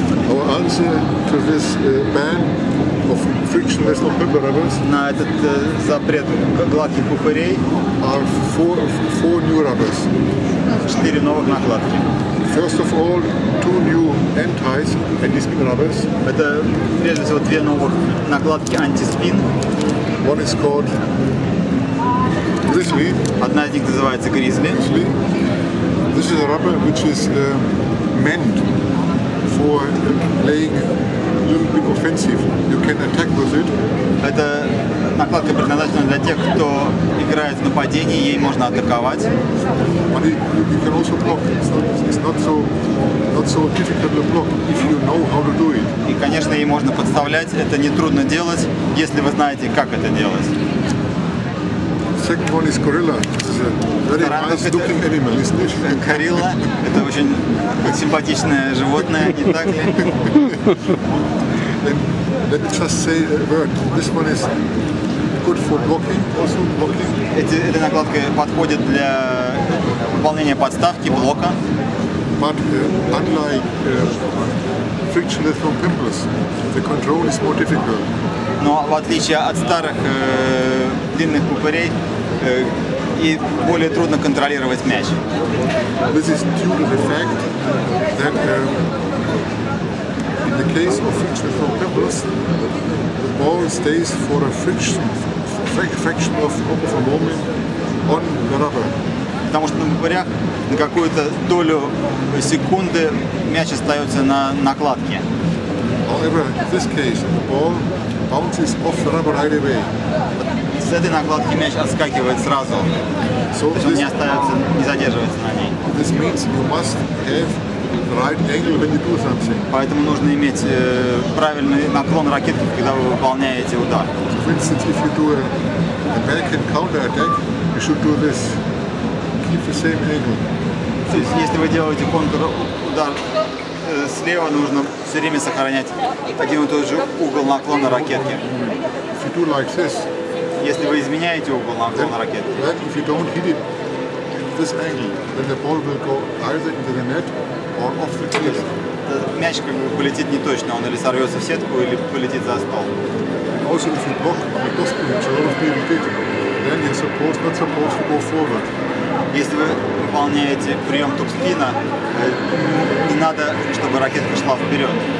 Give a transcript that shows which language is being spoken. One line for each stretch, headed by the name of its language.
English: Our answer to this ban of frictionless pimple rubbers.
Russian: На этот запрет гладких пупырей.
English: Are four new rubbers.
Russian: Четыре новых накладки.
English: First of all, two new anti-ties and anti-spin rubbers.
Russian: Это прежде всего две новых накладки anti-spin.
English: One is called Grizzly.
Russian: Одна из них называется Grizzly.
English: Grizzly. This is a rubber which is meant for playing a little bit offensive. You can attack with it.
Russian: Это накладка предназначена для тех, кто играет в нападении, ей можно атаковать.
English: You can also block. It's not so difficult to block if you know how to do it.
Russian: И, конечно, ей можно подставлять. Это не трудно делать, если вы знаете, как это делать.
English: Second one is gorilla. This is a very nice-looking animal, isn't it? Gorilla.
Russian: Это очень симпатичное животное, не так ли?
English: Let me just say a word. This one is good for blocking, also blocking.
Russian: Эта накладка подходит для выполнения подставки, блока.
English: But unlike frictionless from pimples, the control is more difficult.
Russian: Но в отличие от старых длинных пупырей, и более трудно контролировать мяч.
English: This is due to the fact that in the case of friction from pebbles, the ball stays for a fraction of a moment on the rubber.
Russian: Потому что, говоря, на какую-то долю секунды мяч остается на накладке.
English: However, in this case, the ball bounces off the rubber right away.
Russian: С этой накладки мяч отскакивает сразу. So то есть он не остается, не задерживается на ней.
English: This means you must have the right angle when you do something.
Russian: Поэтому нужно иметь правильный наклон ракетки, когда вы выполняете удар.
English: So for instance, if you do a backhand counter-attack, you should do this. Keep the same angle.
Russian: То есть, если вы делаете контур удар слева, нужно все время сохранять один и тот же угол наклона ракетки.
English: If you do like this,
Russian: если вы изменяете угол наклона
English: then,
Russian: ракетки,
English: then if you don't hit it in this angle, then the ball will go either into the net or off the cliff.
Russian: Мяч как бы полетит не точно, он или сорвется в сетку, или полетит за стол.
English: Also, if you block the cross pin, which a lot of people did, then you're supposed, not supposed to go forward.
Russian: Если вы выполняете прием топ-спина, не надо, чтобы ракетка шла вперед.